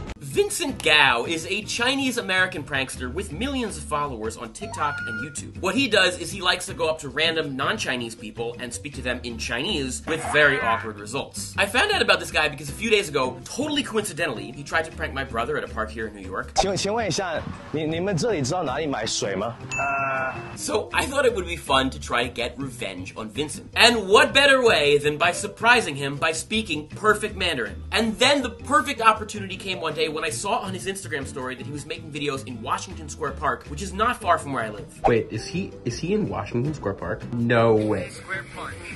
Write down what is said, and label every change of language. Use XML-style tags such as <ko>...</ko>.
<en>Vincent Gao is a Chinese-American prankster with millions of followers on TikTok and YouTube. What he does is he likes to go up to random non-Chinese people and speak to them in Chinese with very awkward results. I found out about this guy because a few days ago, totally coincidentally, he tried to prank my brother at a park here in New York.</en> <zh>请问一下,你们这里知道哪里买水吗?</zh> <en>So I thought it would be fun to try to get revenge on Vincent. And what better way than by surprising him by by speaking perfect Mandarin. And then the perfect opportunity came one day when I saw on his Instagram story that he was making videos in Washington Square Park, which is not far from where I live. Wait, is he in Washington Square Park? No way. Square Park.</en>